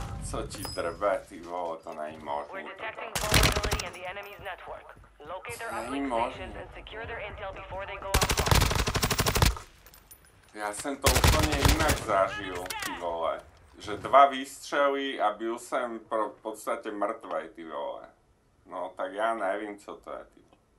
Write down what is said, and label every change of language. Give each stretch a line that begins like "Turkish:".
Czech: Co ti trvá, ty vole, to není možný.
English: We're detecting vulnerability in the enemy's network. Locate their uplink stations and secure their intel before they go offline.
Czech: Já jsem to úplně jinak zažil, ty vole. Že dva výstřely a byl jsem v podstatě mrtvej, ty vole. No, tak já nevím, co to je, ty vole.